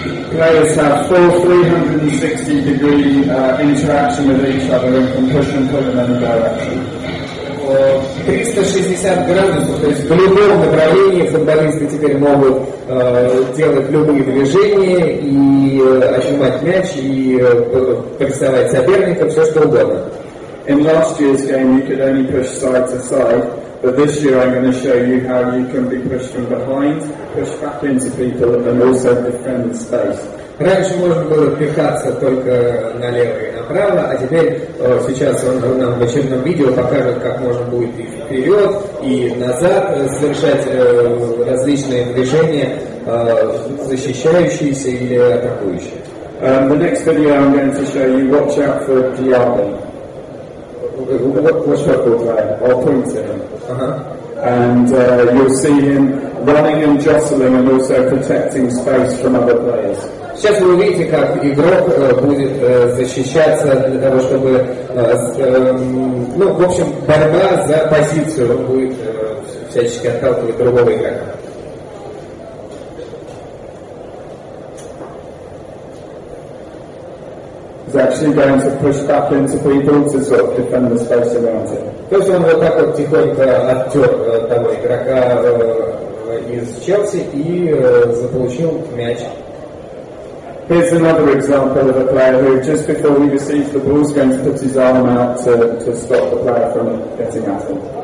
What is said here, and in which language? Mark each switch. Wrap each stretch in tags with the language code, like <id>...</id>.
<en>Players have full 360-degree interaction with each other and can push and pull in any direction.</en> <ru>360 градусов, то есть в любом направлении футболисты теперь могут делать любые движения и отжимать мяч и прессовать соперника, все что угодно.</ru> <en>In last year's game you could only push side to side, but this year I'm going to show you how you can be pushed from behind, push back into people and then also defend the space.</en> <ru>Раньше можно было пихаться только налево и направо, а теперь сейчас он нам в очередном видео покажет, как можно будет и вперед, и назад совершать различные движения, защищающиеся или атакующие.</ru> <en>The next video I'm going to show you, watch out for Diaby. Watch out for Diaby. I'll point to him. And you'll see him running and jostling and also protecting space from other players.</en> <ru>Сейчас вы увидите, как игрок будет защищаться для того, чтобы, в общем, борьба за позицию будет всячески отталкивать другого игрока.</ru> <en>He's actually going to push back into people to sort of defend the space around him.</en> <ru>То есть он вот так вот тихонько оттер того игрока из Челси и заполучил мяч.</ru> <en>Here's another example of a player who, just before he receives the ball, is going to put his arm out to stop the player from getting at him.</en>